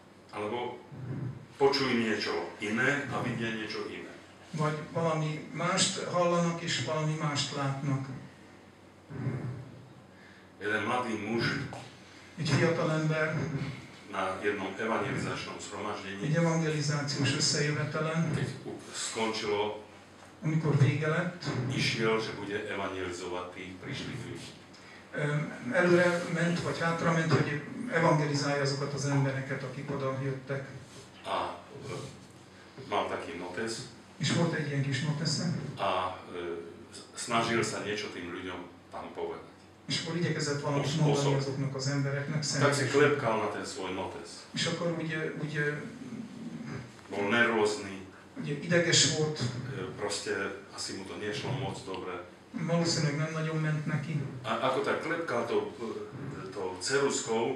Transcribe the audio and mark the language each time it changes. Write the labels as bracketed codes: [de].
[sk] Alebo počuj niečo iné a vidia niečo iné. [hu] Vagy valami mást hallanak és valami mást látnak. [sk] Jeden mladý muž. [hu] Egy fiatalember. [sk] Na jednom evangelizačnom zhromaždení. [hu] Egy evangelizációs összejövetelen. [sk] Keď skončilo. [hu] Amikor vége lett. [sk] Išiel, že bude evangelizovať tých prišlých ľudí. [hu] Előre ment, vagy hátra ment, hogy evangelizálja azokat az embereket, akik oda jöttek. [sk] A mám taký notes. [hu] És volt egy ilyen kis notesze. [sk] A snažil sa niečo tým ľuďom tam povedať. [hu] És akkor igyekezett valamit mondani azoknak az embereknek személyesen. [sk] Tak si klepkal na ten svoj notes. [hu] És akkor ugye... [sk] Bol nervózny. [hu] Ugye ideges volt. [sk] Proste asi mu to nešlo moc dobre. [hu] Valószínűleg nem nagyon ment neki. [sk] A ako tak klepkal to ceruzkou.